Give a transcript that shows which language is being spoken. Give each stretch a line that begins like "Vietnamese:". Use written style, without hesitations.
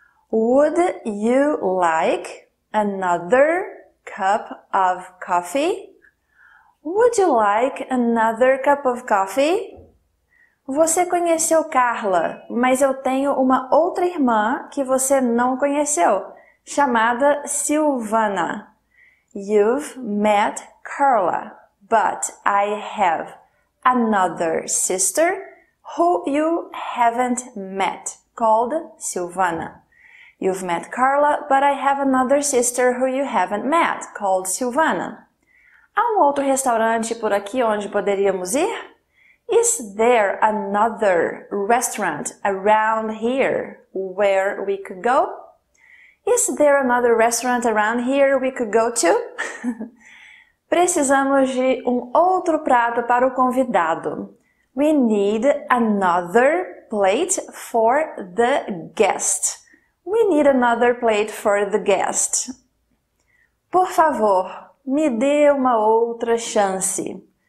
English: Would you like another cup of coffee? Would you like another cup of coffee?
Portuguese: Você conheceu Carla, mas eu tenho uma outra irmã que você não conheceu, chamada Silvana.
English: You've met Carla, but I have another sister who you haven't met, called Silvana. You've met Carla, but I have another sister who you haven't met, called Silvana.
Portuguese: Há um outro restaurante por aqui onde poderíamos ir?
English: Is there another restaurant around here where we could go? Is there another restaurant around here we could go to?
Portuguese: Precisamos de um outro prato para o convidado.
English: We need another plate for the guest. We need another plate for the guest.
Portuguese: Por favor, me dê uma outra chance.